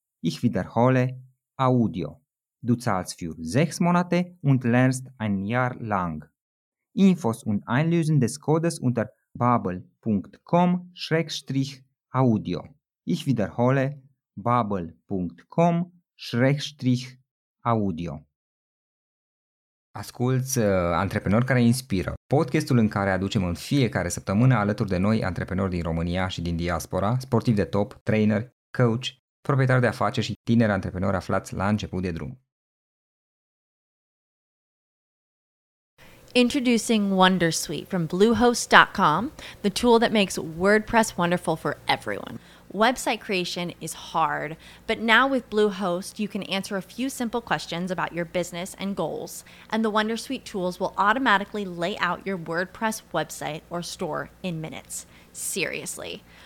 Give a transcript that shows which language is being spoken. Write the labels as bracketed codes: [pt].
[de] Ich wiederhole, AUDIO. Du zahlst für 6 Monate und lernst ein Jahr lang. Infos und Einlösen des Codes unter babbel.com/audio. Ich wiederhole, babbel.com/audio. [ro] Asculți Antreprenori care inspiră, podcastul în care aducem în fiecare săptămână alături de noi antreprenori din România și din diaspora, sportivi de top, trainer, coach, proprietari de afaceri și tineri antreprenori aflați la început de drum. [en] Introducing WonderSuite from Bluehost.com, the tool that makes WordPress wonderful for everyone. Website creation is hard, but now with Bluehost, you can answer a few simple questions about your business and goals, and the WonderSuite tools will automatically lay out your WordPress website or store in minutes. Seriously.